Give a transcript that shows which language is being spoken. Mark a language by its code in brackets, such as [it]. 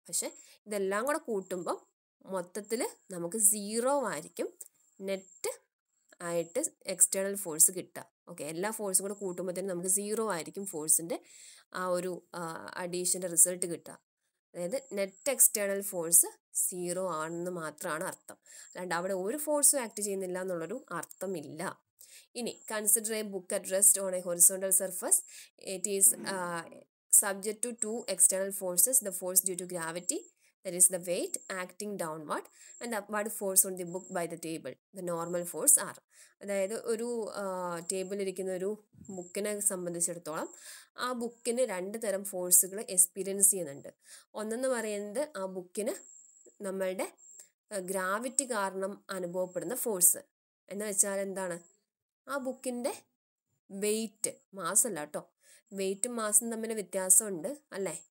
[ml] പക്ഷെ ഇതെല്ലാം കൂടെ കൂട്ടുമ്പം മൊത്തത്തിൽ നമുക്ക് സീറോ ആയിരിക്കും നെറ്റ് ആയിട്ട് എക്സ്റ്റേണൽ ഫോഴ്സ് കിട്ടുക. ഓക്കെ, എല്ലാ ഫോഴ്സും കൂടെ കൂട്ടുമ്പോഴത്തേനും നമുക്ക് സീറോ ആയിരിക്കും ഫോഴ്സിൻ്റെ ആ ഒരു അഡീഷൻ്റെ റിസൾട്ട് കിട്ടുക. അതായത് നെറ്റ് എക്സ്റ്റേണൽ ഫോഴ്സ് സീറോ ആണെന്ന് മാത്രമാണ് അർത്ഥം. അല്ലാണ്ട് അവിടെ ഒരു ഫോഴ്സും ആക്ട് ചെയ്യുന്നില്ല എന്നുള്ളൊരു അർത്ഥമില്ല. [en] ഇനി consider a book at rest on a horizontal surface, it is subject to two external forces, the force due to gravity, that is the weight acting downward, and the upward force on the book by the table, the normal force r. [ml] അതായത് ഒരു ടേബിളിൽ ഇരിക്കുന്ന ഒരു ബുക്കിനെ സംബന്ധിച്ചിടത്തോളം ആ ബുക്കിന് രണ്ട് തരം ഫോഴ്സുകൾ എക്സ്പീരിയൻസ് ചെയ്യുന്നുണ്ട്. ഒന്നെന്ന് പറയുന്നത് ആ ബുക്കിന് നമ്മളുടെ ഗ്രാവിറ്റി കാരണം അനുഭവപ്പെടുന്ന ഫോഴ്സ്, എന്ന് വെച്ചാൽ എന്താണ് ആ ബുക്കിൻ്റെ വെയിറ്റ്, മാസ് അല്ല കേട്ടോ, വെയിറ്റും മാസും തമ്മിൽ വ്യത്യാസമുണ്ട് അല്ലേ.